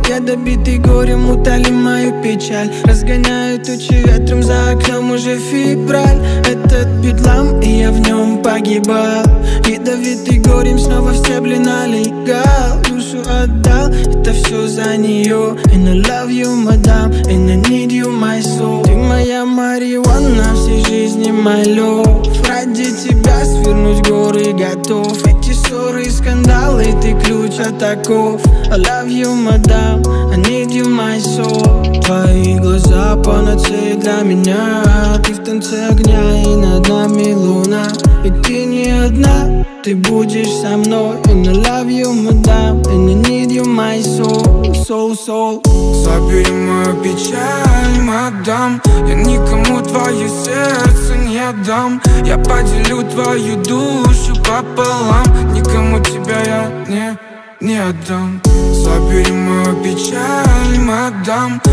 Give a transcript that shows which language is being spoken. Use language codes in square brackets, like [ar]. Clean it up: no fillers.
[ru] Я добитый горем, утоли мою печаль. Разгоняю тучи ветром, за окном уже февраль. Этот бедлам, и я в нем погибал. Ядовитый горем снова в стебли налегал. Душу отдал, это все за нее. [en] And I love you, madam, and I need you, my soul. [ru] Ты моя марихуана, всей жизни [en] my love. [ru] Ради тебя свернуть горы готов. Эти ссоры и скандалы, ты ключ от оков. [en] I love you, madam, I need you, my soul. [ru] Твои глаза панацея для меня. Ты в танце огня и над нами луна. И ты не одна, ты будешь со мной. [en] And I love you, madam, and I need you, my soul, soul, soul. [ru] Забери мою печаль, мадам. Я никому твое сердце не отдам. Я поделю твою душу пополам. Никому тебя я не отдам. Забери мою печаль, мадам.